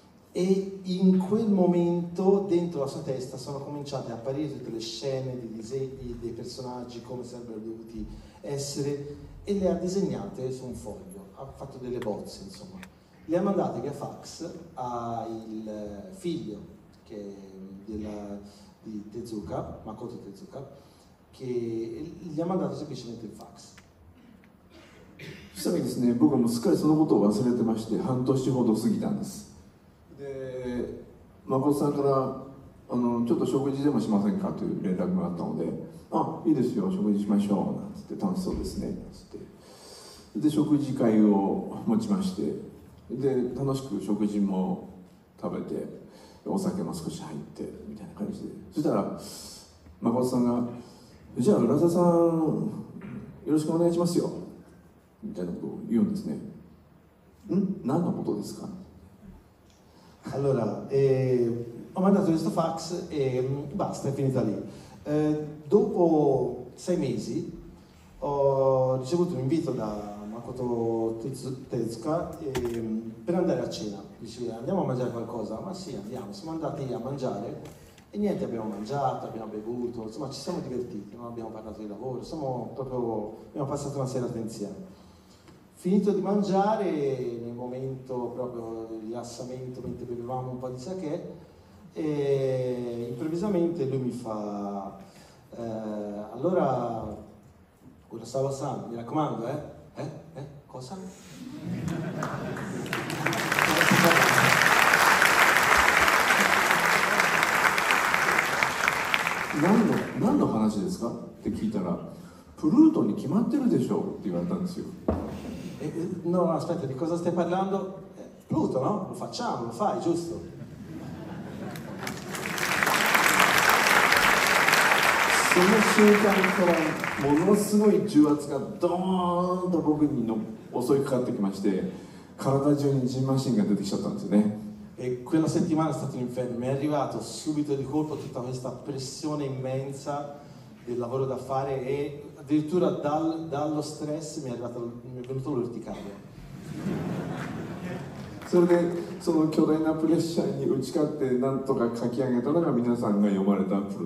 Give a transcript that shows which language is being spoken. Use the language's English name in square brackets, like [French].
[Italian] E in quel momento dentro la sua testa sono cominciate a apparire tutte le scene, dei disegni, dei personaggi, come sarebbero dovuti essere, e le ha disegnate su un foglio, ha fatto delle bozze insomma, le ha mandate via fax al figlio che di Tezuka, Makoto Tezuka, che gli ha mandato semplicemente il fax. [Japanese] Sì, ですね、僕はもうすっかりそのことを忘れてまして、半年ほど過ぎたんです。で、マコトさんからちょっと食事でもしませんかという連絡があったので、あ、いいですよ、食事しましょうなんて言って楽しそうですねつって、で食事会を持ちまして、で楽しく食事も食べて。お酒も少し入ってみたいな感じで、そしたら誠さんが、じゃあ浦沢さんよろしくお願いしますよみたいなことを言うんですね。ん？何のことですか？ [Italian] Allora, ho mandato questo fax e basta, è finita lì. Dopo sei mesi ho ricevuto un invito da Makoto Tezuka per andare a cena. Dice, andiamo a mangiare qualcosa? Ma sì, andiamo. Siamo andati a mangiare e niente, abbiamo mangiato, abbiamo bevuto, insomma ci siamo divertiti, non abbiamo parlato di lavoro, abbiamo passato una serata insieme. Finito di mangiare, nel momento proprio di rilassamento, mentre bevevamo un po' di sake, e improvvisamente lui mi fa, allora, Urasawa-san, mi raccomando, cosa? [Japanese] 何の話ですかって聞いたら、プルートンに決まってるでしょうって言われたんですよ。 [Italian] No, aspetta, di cosa stai parlando? Pluto, no? Lo facciamo, lo fai, giusto? [Japanese] その瞬間からものすごい重圧がドーンと僕にの襲いかかってきまして、体中にジンマシンが出てきちゃったんですよね。 [Italian] E quella settimana è stato un inferno, mi è arrivato subito di colpo tutta questa pressione immensa del lavoro da fare e addirittura dallo stress mi è venuto l'urticaria. Sono sono una pressione di uccidere tanto che kakiangetano.